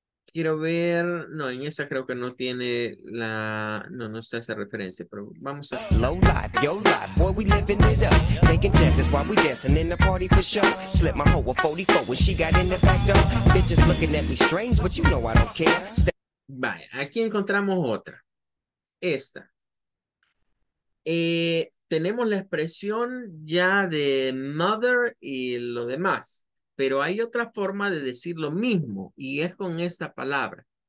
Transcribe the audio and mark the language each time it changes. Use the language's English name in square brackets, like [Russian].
[Spanish] Quiero ver, no, en esa creo que no tiene la, no, no está esa referencia, pero vamos a. [English] Low life, yo life, boy, we living it up. Taking chances while we dancing in the party for show. Slip my hoe a 44 when she got in the back door. Bitches looking at me strange, but you know I don't care. [Spanish] Vale, aquí encontramos otra. Esta. Tenemos la expresión ya de mother y lo demás. Pero hay otra forma de decir lo mismo y es con esta palabra.